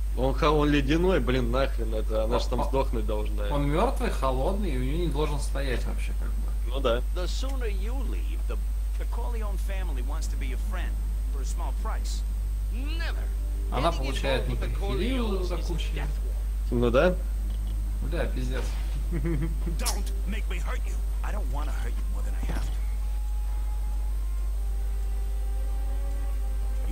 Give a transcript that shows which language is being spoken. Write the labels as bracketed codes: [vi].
[ru] Он ледяной, блин, нахрен это. Она же там сдохнуть должна. Он мертвый, холодный, и у нее не должен стоять вообще, как бы. Ну да. [en] The sooner you leave, the Corleone family wants to be your friend for a small price. Never. [ru] Она получает некрофилию за кучу. Ну да. Бля, пиздец. [en] Don't make me hurt you. I don't want to hurt you more than I have to.